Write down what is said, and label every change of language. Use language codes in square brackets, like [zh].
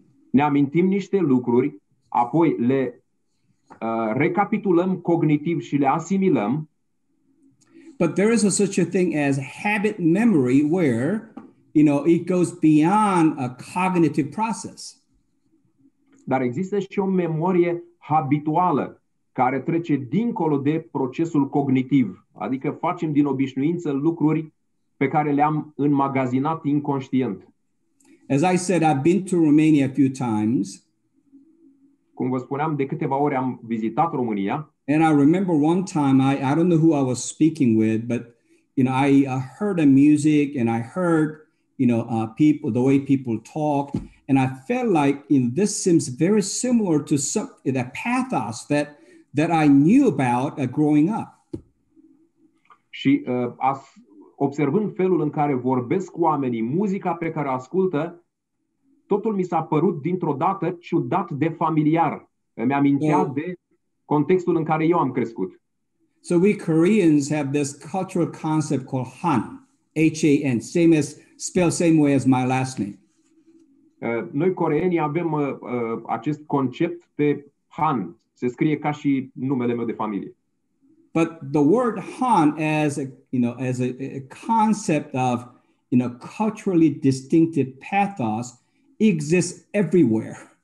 [ro] Ne amintim niște lucruri, apoi le recapitulăm cognitiv și le asimilăm. [en] But there is such a thing as habit memory where, it goes beyond a cognitive process. [ro] Dar există și o memorie habituală care trece dincolo de procesul cognitiv. Adică facem din obișnuință lucruri pe care le-am înmagazinat inconștient. [en] As I said, I've been to Romania a few times. [ro] Cum vă spuneam, de câteva ori am vizitat România. [en] And I remember one time, I don't know who I was speaking with, but I heard a music and I heard people, the way people talk. And I felt like this seems very similar to that pathos that I knew about growing up. [ro] Și observând felul în care vorbesc cu oamenii, muzica pe care o ascultă, totul mi s-a părut dintr-o dată ciudat de familiar. Îmi amintea de contextul în care eu am crescut. [en] So we Koreans have this cultural concept called Han, H-A-N, same way as my last name. [ro] Noi coreenii avem acest concept de Han. Se scrie ca și numele meu de familie. [en] But the word Han as a, you know, as a concept of, you know, culturally distinctive pathos exists everywhere.